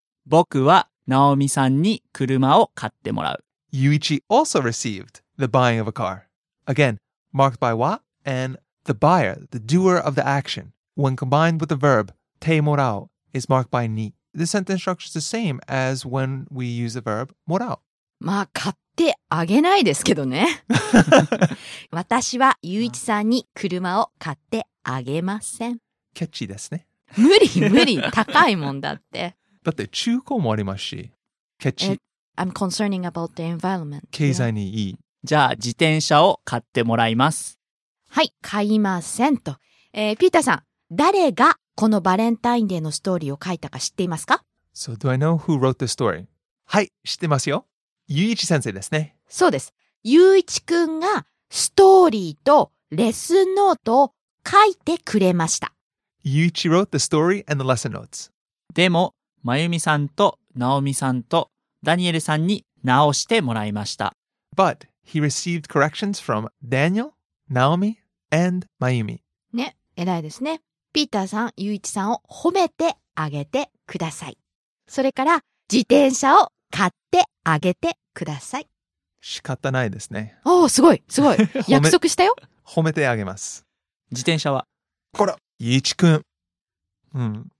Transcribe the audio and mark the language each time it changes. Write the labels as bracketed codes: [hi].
[ja] 僕はナオミさんに車を買ってもらう。 [en] Yuichi also received the buying of a car. Again, marked by わ and the buyer, the doer of the action, when combined with the verb, てもらう, is marked by に. This sentence structure is the same as when we use the verb もらう. [ja] まあ、買ってあげないですけどね。私はゆういちさんに車を買ってあげません。キャッチーですね。無理無理。高いもんだって。だって中古もありますし、キャッチー。 [en] I'm concerning about the environment. [ja] 経済にいい。じゃあ、自転車を買ってもらいます。はい、買いませんと。ピーターさん、誰がこのバレンタインデーのストーリーを書いたか知っていますか [en] ?So, do I know who wrote the story? [ja] はい、知ってますよ。ゆういち先生ですね。そうです。ゆういちくんがストーリーとレッスンノートを書いてくれました。 [en] ゆういち wrote the story and the lesson notes. [ja] でも、まゆみさんとなおみさんとダニエルさんに直してもらいました。 [en] But he received corrections from Daniel, Naomi, and Mayumi. [ja] ね、偉いですね。ピーターさん、ユイチさんを褒めてあげてください。それから、自転車を買ってあげてください。仕方ないですね。おー、すごい、すごい。約束したよ。褒めてあげます。自転車は。こら、ユイチくん。うん。